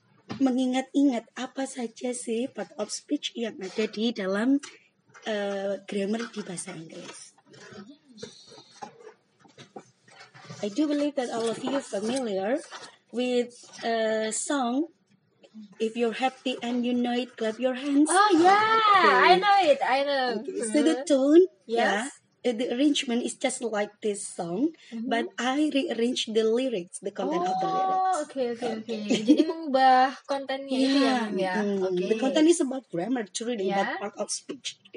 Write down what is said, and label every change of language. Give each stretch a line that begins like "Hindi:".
Indonesian: Mengingat-ingat apa saja sih part of speech yang ada di dalam grammar di bahasa Inggris.
English: I do believe that all of you are familiar with a song, "If You're Happy and You Know It, Clap Your Hands." Oh yeah, okay. I know it. I know. Okay. So the tone, the arrangement is just like this song, but I rearrange the lyrics, the content of the lyrics. Okay.
Indonesian: Jadi mengubah kontennya itu ya.
English: Okay. The content is about grammar, truly, but part of speech.